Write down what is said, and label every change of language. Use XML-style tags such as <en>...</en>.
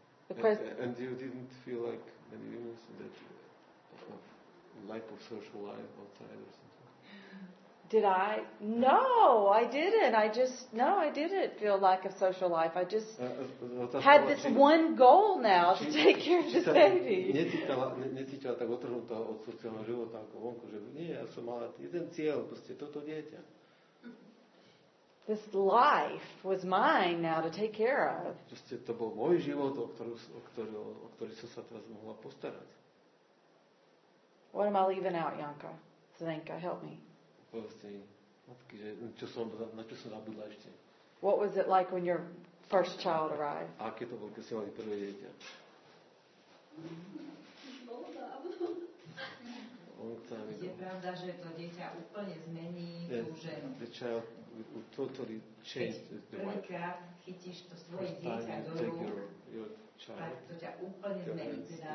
<en>And you didn't feel like many women that of lack of social life outside or something? Did I? No, I didn't. I didn't feel lack of social life. I just had this one goal now, to take care of this baby.</en> <sk>Necítila tak otrhnutá od sociálneho života ako vonku, že nie, ja som mala jeden cieľ, proste toto dieťa.</sk> <en>This life was mine now to take care of.</en> <sk>Proste to bol môj život, o ktorý som sa teraz mohla postarať.</sk> <en>What am I leaving out, Janka? Zdenka, help me.</en> <sk>Matky, že, na čo som zabudla ešte.</sk> <en>What was it like when your first child arrived?</en> <sk>A aké to bolo, keď si mali prvé dieťa? Je pravda, že to dieťa úplne zmení tú ženu.</sk> <en>The child will totally change the wife.</en> <sk>Prvýkrát chytíš to svoje dieťa do rúk, tak to ťa úplne zmení.</sk>